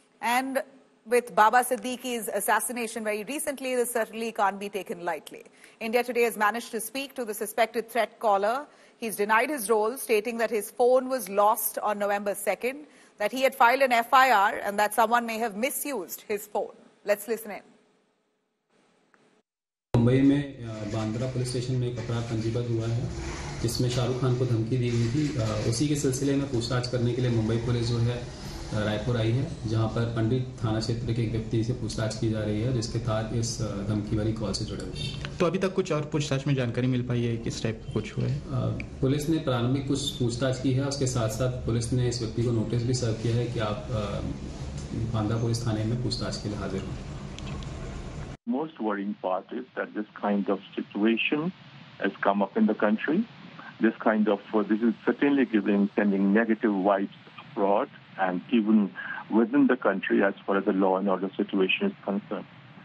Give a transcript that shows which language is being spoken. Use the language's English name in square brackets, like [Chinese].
[English] And with Baba Siddiqui's assassination very recently, this certainly can't be taken lightly. India Today has managed to speak to the suspected threat caller. He's denied his role, stating that his phone was lost on November 2nd. That he had filed an FIR and that someone may have misused his phone. Let's listen in. [Hindi] Mumbai में Bandra police station में एक अपराध पंजीबद्ध हुआ है जिसमें शाहरुख खान को धमकी दी गई थी. उसी के सिलसिले में पूछताछ करने के लिए मुंबई पुलिस जो है रायपुर आई है, जहां पर पंडित थाना क्षेत्र के एक व्यक्ति से पूछताछ की जा रही है जिसके तार इस धमकी वाली कॉल से जुड़े हुए हैं. तो अभी तक कुछ और पूछताछ में जानकारी मिल पाई है, किस टाइप कुछ हुआ है? पुलिस ने प्रारंभिक कुछ पूछताछ की है, उसके साथ साथ पुलिस ने इस व्यक्ति को नोटिस भी सर्व किया है कि आप बांदा पुलिस थाने में पूछताछ के लिए हाजिर हों. [English] Most worrying part is that this kind of situation has come up in the country. This kind of this is certainly giving sending negative vibes abroad and even within the country as far as the law and order situation is concerned.